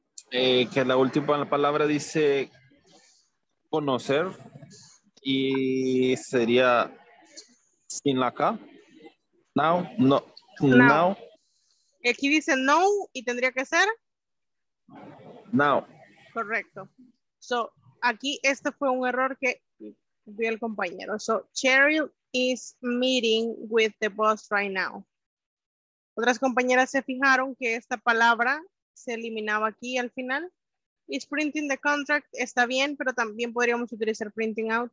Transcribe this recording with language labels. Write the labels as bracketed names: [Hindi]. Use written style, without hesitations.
[Spanish] Que la última palabra dice conocer y sería... Sin la K. Now, no. Now. Aquí dice no y tendría que ser. [English] Now. [Spanish] Correcto. So, aquí este fue un error que vi el compañero. [English] So, Cheryl is meeting with the boss right now. [Spanish] Otras compañeras se fijaron que esta palabra se eliminaba aquí al final. [English] Is printing the contract. [Spanish] Está bien, pero también podríamos utilizar printing out.